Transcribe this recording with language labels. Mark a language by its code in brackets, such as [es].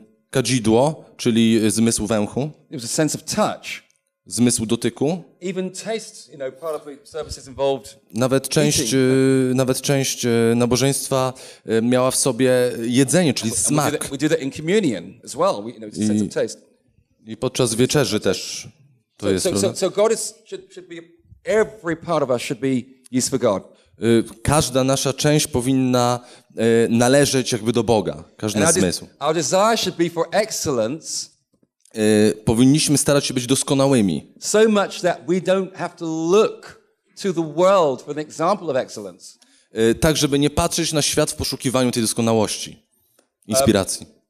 [pl] Kadzidło, czyli zmysł węchu. [en] It was a sense of touch. [pl] Zmysł dotyku. [en] Even taste, you know, part of the services involved. [pl] Nawet część nabożeństwa miała w sobie jedzenie, czyli smak. [en] We do that in communion as well. We, you know, it's a sense of taste. [pl] I podczas wieczerzy też. [en] So God is should be every part of us should be used for God. [pl] Każda nasza część powinna należeć jakby do Boga, każdy zmysł. [en] Our desire should be for excellence. [pl] Powinniśmy starać się być doskonałymi. [en] So much that we don't have to look to the world for an example of excellence. [pl] Tak, żeby nie patrzeć na świat w poszukiwaniu tej doskonałości, inspiracji.